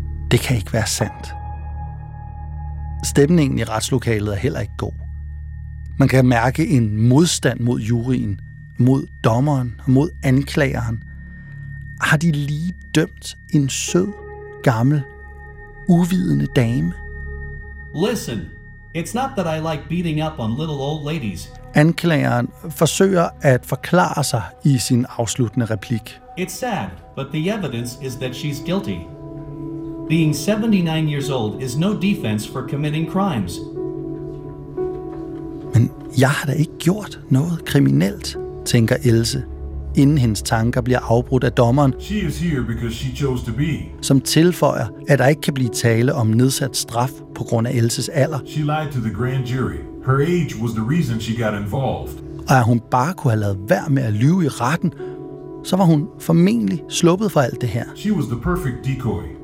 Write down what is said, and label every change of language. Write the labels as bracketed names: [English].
[Danish] Det kan ikke være sandt. Stemningen i retslokalet er heller ikke god. Man kan mærke en modstand mod juryen, mod dommeren og mod anklageren. Har de lige dømt en sød, gammel, uvidende dame? [English] Listen, it's not that I like beating up on little old ladies. [Danish] Anklageren forsøger at forklare sig i sin afsluttende replik. [English] It's sad, but the evidence is that she's guilty. Being 79 years old is no defense for committing crimes. [Danish] Men jeg har da ikke gjort noget kriminelt, tænker Else, inden hendes tanker bliver afbrudt af dommeren. [English] She is here because she chose to be. [Danish] Som tilføjer, at der ikke kan blive tale om nedsat straf på grund af Elses alder. [English] She lied to the grand jury. Her age was the reason she got involved. [Danish] Og at hun bare kunne have ladet værd med at lyve i retten, så var hun formentlig sluppet for alt det her. [English] She was the perfect decoy.